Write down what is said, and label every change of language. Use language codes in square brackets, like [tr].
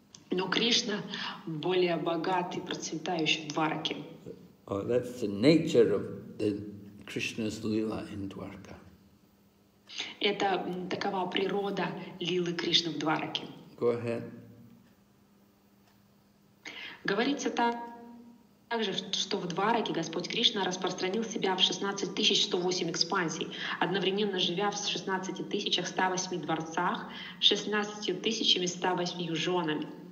[ru] Но Кришна более богат и процветающий в Двараке. [en] Oh, that's the nature of the Krishna's lila in Dwarka. [ru] Это такова природа лилы Кришны в Двараке. [en] Go ahead. [ru] Говорится также, что в Двараке Господь Кришна распространил себя в 16 108 экспансий, одновременно живя в 16 108 дворцах, 16 108 женами.